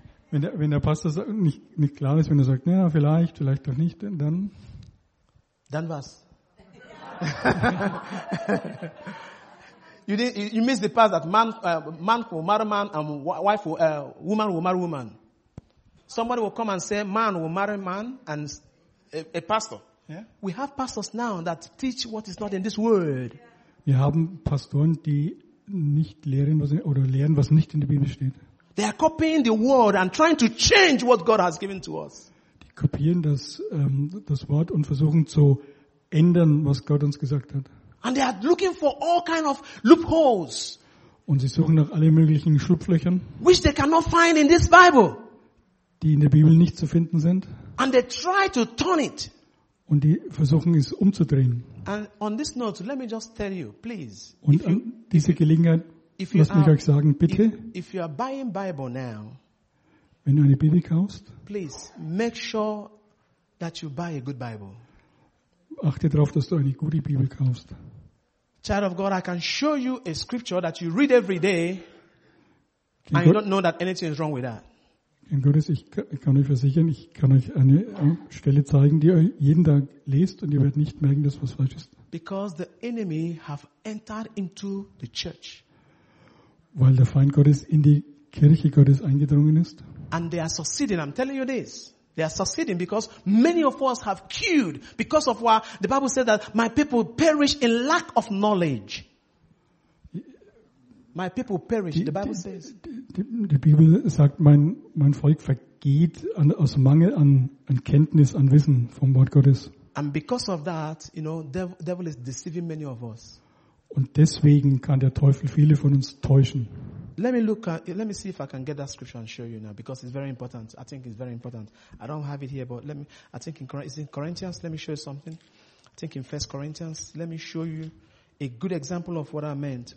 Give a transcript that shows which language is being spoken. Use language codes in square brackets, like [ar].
[de] wenn der Pastor nicht klar ist, wenn er sagt, naja, vielleicht doch nicht, dann. Dann was? [en] You miss the part that man will marry man and wife will woman will marry woman. Somebody will come and say man will marry man and a pastor. Yeah. We have pastors now that teach what is not in this world. [de] Wir haben Pastoren, die nicht lehren, was lehren, was nicht in der Bibel steht. [en] They are copying the word and trying to change what God has given to us. [de] Die kopieren das das Wort und versuchen zu ändern, was Gott uns gesagt hat. [en] And they are looking for all kind of loopholes. [de] Und sie suchen nach alle möglichen Schlupflöchern. [en] Which they cannot find in this Bible. [de] Die in der Bibel nicht zu finden sind. [en] And they try to turn it. [de] Und die versuchen es umzudrehen. [en] And on this note, let me just tell you, please. [de] Und an diese Gelegenheit, lasst mich euch sagen, bitte. [en] If you are buying Bible now, [de] wenn du eine Bibel kaufst, [en] please make sure that you buy a good Bible. [de] Achte darauf, dass du eine gute Bibel kaufst. [en] Child of God, I can show you a scripture that you read every day, and you don't know that anything is wrong with that. [de] Kind Gottes, ich kann euch versichern, ich kann euch eine Stelle zeigen, die ihr jeden Tag lest, und ihr werdet nicht merken, dass was falsch ist. [en] Because the enemy have entered into the church. [de] Weil der Feind Gottes in die Kirche Gottes eingedrungen ist. [en] And they are succeeding. I'm telling you this. They are succeeding because many of us have queued because of what the Bible says, that my people perish in lack of knowledge. My people perish, the Bible says. [de] Die Bibel sagt, mein Volk vergeht aus Mangel an Kenntnis, an Wissen vom Wort Gottes. [en] And because of that, you know, devil is deceiving many of us. [de] Und deswegen kann der Teufel viele von uns täuschen. [en] Let me see if I can get that scripture and show you now, because it's very important. I think it's very important. I don't have it here, but is it Corinthians? Let me show you something. I think in 1 Corinthians, let me show you a good example of what I meant.